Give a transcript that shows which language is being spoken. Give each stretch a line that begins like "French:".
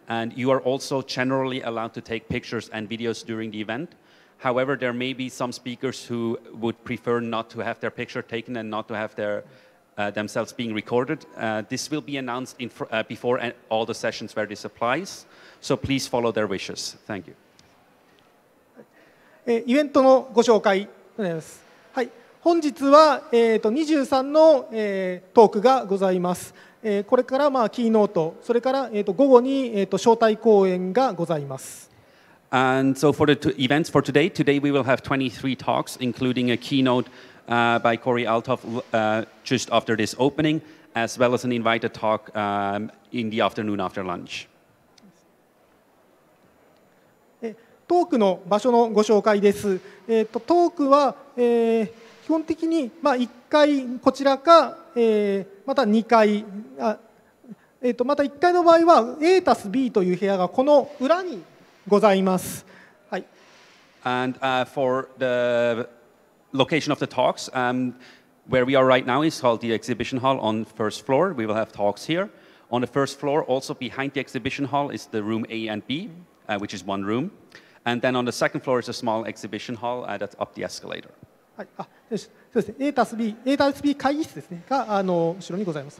English: And you are also generally allowed to take pictures and videos during the event. However, there may be some speakers who would prefer not to have their picture taken and not to have their, themselves being recorded. This will be announced in before all the sessions where this applies. So please follow their wishes. Thank you.
Japanese: イベントのご紹介となります、はい、本日は、23の、トークがございます、これから、まあ、キーノート、それから、午後に、招待講演がございます。
English: And so for the events for today, today we will have 23 talks, including a keynote, by Cory Althoff, just after this opening, as well as an invited talk, in the afternoon after lunch.
Japanese: トークの場所のご紹介です。トークは、基本的に、まあ、1階こちらか、また2階、また1階の場合は A たす B という部屋がこの裏にございます。はい。
English: And for the location of the talks, where we are right now is called the exhibition hall on first floor. We will have talks here. On the first floor, also behind the exhibition hall is the room A and B, which is one room. And then on the second floor is a small exhibition hall that's up the escalator.
Japanese: A たす B、A たす B 会議室ですね、が後ろにございます。